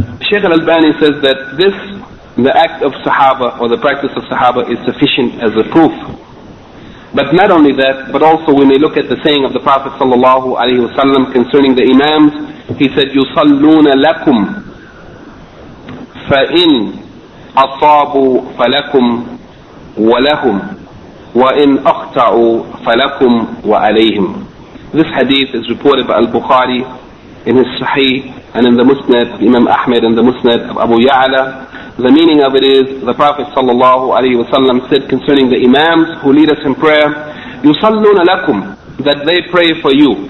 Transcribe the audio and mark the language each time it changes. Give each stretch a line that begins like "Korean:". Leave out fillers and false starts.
English: Shaykh al-Albani says that this, the act of Sahaba, or the practice of Sahaba, is sufficient as a proof. But not only that, but also we may look at the saying of the Prophet sallallahu alaihi wasallam concerning the Imams. He said,
Arabic: يُصَلُّونَ لَكُمْ فَإِنْ أَصَابُوا فَلَكُمْ وَلَهُمْ وَإِنْ أَخْتَعُوا فَلَكُمْ وَعَلَيْهِمْ.
English: This hadith is reported by Al-Bukhari in his Sahih, and in the Musnad of Imam Ahmed, and the Musnad of Abu Ya'la. The meaning of it is, the Prophet sallallahu alaihi wasallam said concerning the Imams who lead us in prayer,
Arabic: يُصَلُّونَ لَكُمْ,
English: that they pray for you.